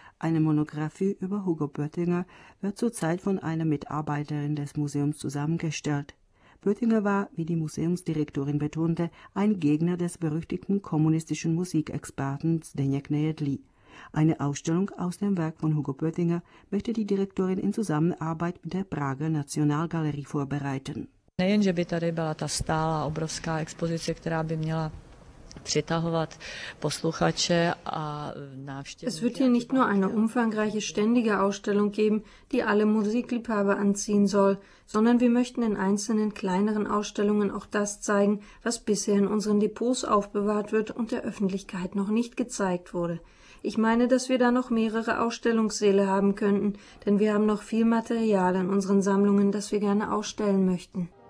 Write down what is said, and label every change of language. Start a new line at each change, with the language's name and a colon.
German: Eine Monographie über Hugo Böttinger wird zurzeit von einer Mitarbeiterin des Museums zusammengestellt. Böttinger war, wie die Museumsdirektorin betonte, ein Gegner des berüchtigten kommunistischen Musikexperten Zdeněk Nejedlý. Eine Ausstellung aus dem Werk von Hugo Böttinger möchte die Direktorin in Zusammenarbeit mit der Prager Nationalgalerie vorbereiten.
Czech: Nejenže by tady byla ta stálá obrovská expozice, která by měla přitahovat posluchače a návštěvníky.
German: Es wird hier nicht nur eine umfangreiche ständige Ausstellung geben, die alle Musikliebhaber anziehen soll, sondern wir möchten in einzelnen kleineren Ausstellungen auch das zeigen, was bisher in unseren Depots aufbewahrt wird und der Öffentlichkeit noch nicht gezeigt wurde. Ich meine, dass wir da noch mehrere Ausstellungssäle haben könnten, denn wir haben noch viel Material in unseren Sammlungen, das wir gerne ausstellen möchten.